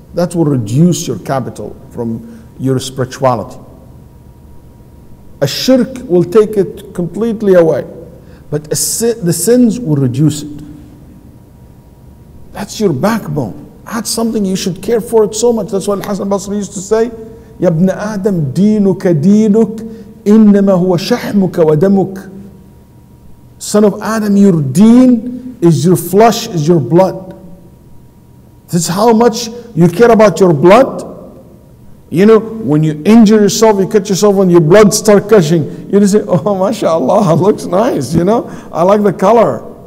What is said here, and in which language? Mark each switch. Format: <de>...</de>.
<en>That will reduce your capital from your spirituality. A shirk will take it completely away, but the sins will reduce it. That's your backbone. That's something you should care for it so much. That's what Al-Hasan Basri used to say,</en> <ar>يَا ابْنَ آدَمْ دِينُكَ دِينُكَ إِنَّمَا هُوَ شَحْمُكَ وَدَمُكَ.</ar> <en>Son of Adam, your deen is your flesh, is your blood. This is how much you care about your blood. You know, when you injure yourself, you cut yourself, and your blood starts gushing, you just say, oh, mashallah, it looks nice, you know? I like the color.</en>